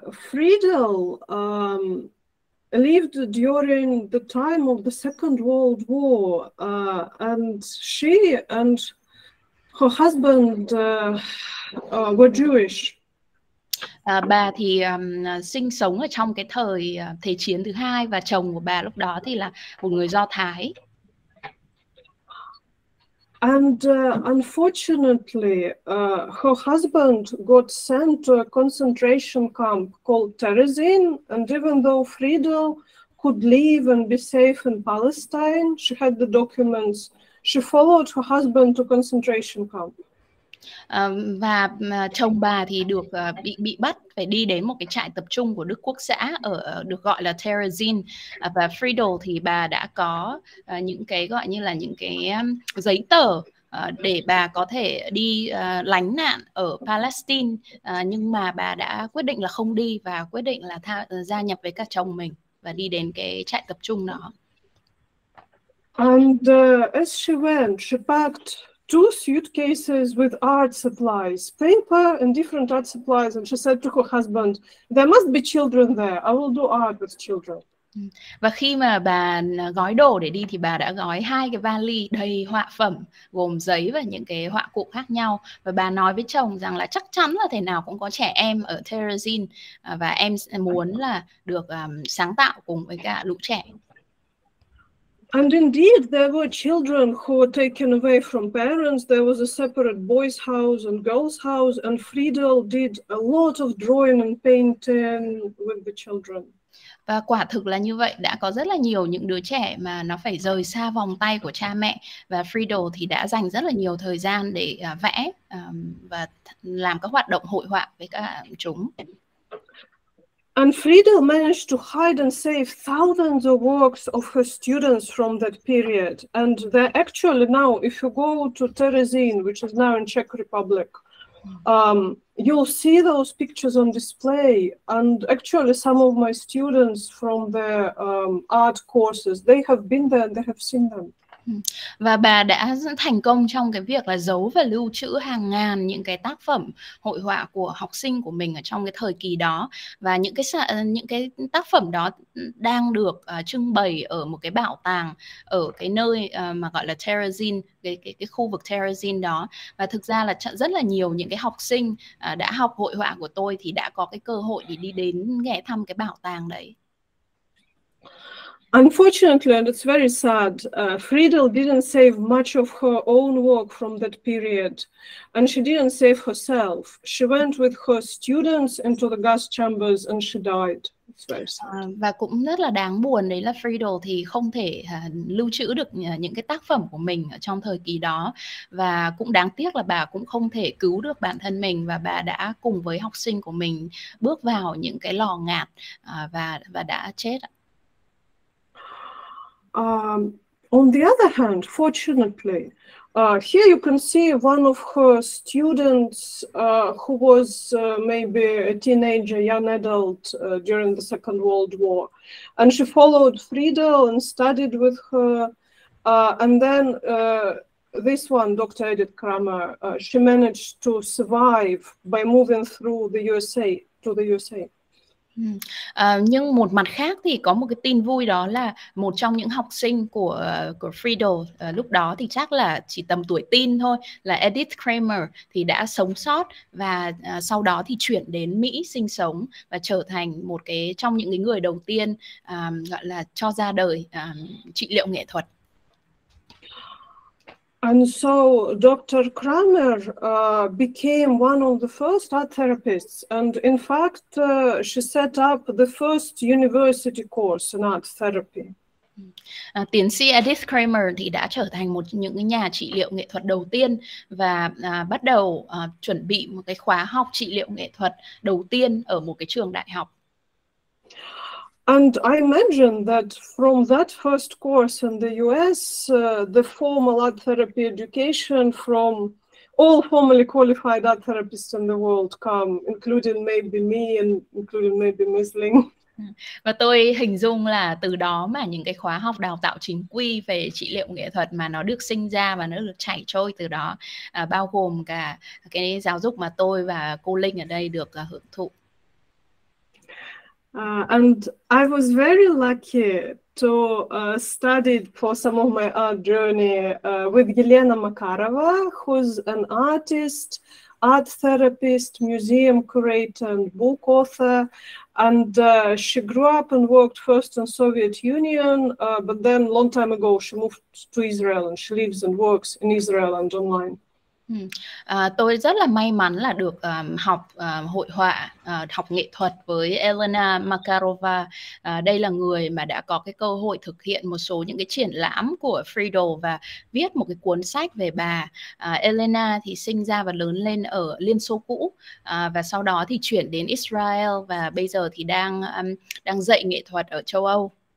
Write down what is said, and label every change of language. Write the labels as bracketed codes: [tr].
[en] Friedel lived during the time of the Second World War, and she and her husband were Jewish. [vi] Bà thì sinh sống ở trong cái thời Thế chiến thứ hai, và chồng của bà lúc đó thì là một người Do Thái. [en] And unfortunately, her husband got sent to a concentration camp called Terezin. And even though Friedel could leave and be safe in Palestine, she had the documents, she followed her husband to concentration camp. [vi] Và chồng bà thì được bị bắt phải đi đến một cái trại tập trung của Đức Quốc xã ở được gọi là Terezin, và Friedel thì bà đã có những cái gọi như là những cái giấy tờ để bà có thể đi lánh nạn ở Palestine, nhưng mà bà đã quyết định là không đi và quyết định là gia nhập với các chồng mình và đi đến cái trại tập trung đó. [en] And as she went, she packed two suitcases with art supplies, paper and different art supplies, and she said to her husband, "There must be children there. I will do art with children." [vi] Và khi mà bà gói đồ để đi thì bà đã gói hai cái vali đầy họa phẩm gồm giấy và những cái họa cụ khác nhau, và bà nói với chồng rằng là chắc chắn là thế nào cũng có trẻ em ở Terezin, và em muốn là được sáng tạo cùng với cả lũ trẻ. [en] And indeed, there were children who were taken away from parents. There was a separate boys' house and girls' house, and Friedel did a lot of drawing and painting with the children. [vi] Và quả thực là như vậy, đã có rất là nhiều những đứa trẻ mà nó phải rời xa vòng tay của cha mẹ, và Friedel thì đã dành rất là nhiều thời gian để vẽ và làm các hoạt động hội họa với các chúng. [en] And Friedel managed to hide and save thousands of works of her students from that period. And they're actually now, if you go to Terezin, which is now in Czech Republic, you'll see those pictures on display. And actually, some of my students from the art courses, they have been there and they have seen them. [vi] Và bà đã thành công trong cái việc là giấu và lưu trữ hàng ngàn những cái tác phẩm hội họa của học sinh của mình ở trong cái thời kỳ đó, và những cái tác phẩm đó đang được trưng bày ở một cái bảo tàng ở cái nơi mà gọi là Terezin, cái khu vực Terezin đó. Và thực ra là rất là nhiều những cái học sinh đã học hội họa của tôi thì đã có cái cơ hội để đi đến ghé thăm cái bảo tàng đấy. [en] Unfortunately, and it's very sad, Friedel didn't save much of her own work from that period, and she didn't save herself. She went with her students into the gas chambers and she died. [vi] Và cũng rất là đáng buồn đấy là Friedel thì không thể lưu trữ được những cái tác phẩm của mình ở trong thời kỳ đó, và cũng đáng tiếc là bà cũng không thể cứu được bản thân mình, và bà đã cùng với học sinh của mình bước vào những cái lò ngạt và đã chết. [en] On the other hand, fortunately, here you can see one of her students who was maybe a teenager, young adult during the Second World War. And she followed Friedel and studied with her. And then this one, Dr. Edith Kramer, she managed to survive by moving through the USA to the USA. [vi] Nhưng một mặt khác thì có một cái tin vui, đó là một trong những học sinh của Friedel lúc đó thì chắc là chỉ tầm tuổi teen thôi, là Edith Kramer, thì đã sống sót và sau đó thì chuyển đến Mỹ sinh sống và trở thành một cái trong những cái người đầu tiên gọi là cho ra đời trị liệu nghệ thuật. [en] And so Dr. Kramer became one of the first art therapists. And in fact, she set up the first university course in art therapy. [vi] Tiến sĩ Edith Kramer thì đã trở thành một những nhà trị liệu nghệ thuật đầu tiên và bắt đầu chuẩn bị một cái khóa học trị liệu nghệ thuật đầu tiên ở một cái trường đại học. [en] And I imagine that from that first course in the US, the formal art therapy education from all formally qualified art therapists in the world come, including maybe me and including maybe Miss Ling. [vi] Và tôi hình dung là từ đó mà những cái khóa học đào tạo chính quy về trị liệu nghệ thuật mà nó được sinh ra và nó được chảy trôi từ đó, bao gồm cả cái giáo dục mà tôi và cô Linh ở đây được hưởng thụ. [en] And I was very lucky to study for some of my art journey with Yelena Makarova, who's an artist, art therapist, museum curator and book author. And she grew up and worked first in Soviet Union, but then long time ago she moved to Israel and she lives and works in Israel and online. [vi] Tôi rất là may mắn là được học hội họa, học nghệ thuật với Elena Makarova. Đây là người mà đã có cái cơ hội thực hiện một số những cái triển lãm của Friedel và viết một cái cuốn sách về bà. Elena thì sinh ra và lớn lên ở Liên Xô cũ và sau đó thì chuyển đến Israel và bây giờ thì đang đang dạy nghệ thuật ở châu Âu.